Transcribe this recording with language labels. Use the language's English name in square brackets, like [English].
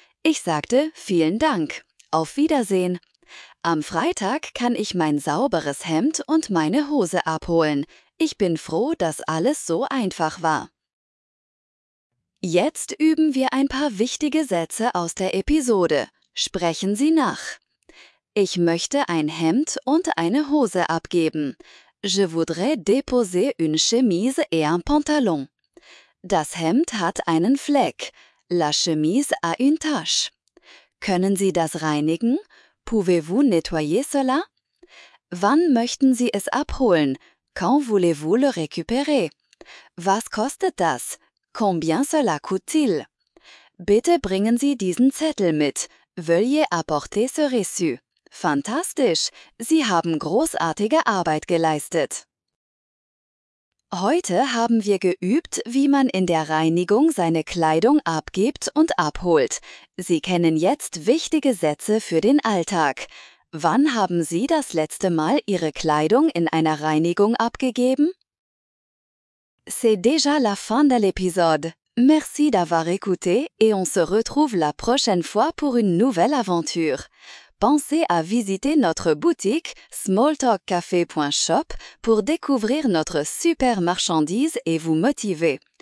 [German] Ich sagte, vielen Dank, auf Wiedersehen. Am Freitag kann ich mein sauberes Hemd und meine Hose abholen. Ich bin froh, dass alles so einfach war. Jetzt üben wir ein paar wichtige Sätze aus der Episode. Sprechen Sie nach. Ich möchte ein Hemd und eine Hose abgeben. [French] Je voudrais déposer une chemise et un pantalon. [German] Das Hemd hat einen Fleck. [French] La chemise a une tache. [German] Können Sie das reinigen? [French] Pouvez-vous nettoyer cela? [German] Wann möchten Sie es abholen? [French] Quand voulez-vous le récupérer? [German] Was kostet das? [French] Combien cela coûte-t-il? [German] Bitte bringen Sie diesen Zettel mit. [French] Veuillez apporter ce reçu. [German] Fantastisch! Sie haben großartige Arbeit geleistet. Heute haben wir geübt, wie man in der Reinigung seine Kleidung abgibt und abholt. Sie kennen jetzt wichtige Sätze für den Alltag. Wann haben Sie das letzte Mal Ihre Kleidung in einer Reinigung abgegeben? [French] C'est déjà la fin de l'épisode. Merci d'avoir écouté et on se retrouve la prochaine fois pour une nouvelle aventure. Pensez à visiter notre boutique smalltalkcafé.shop pour découvrir notre super marchandise et vous motiver.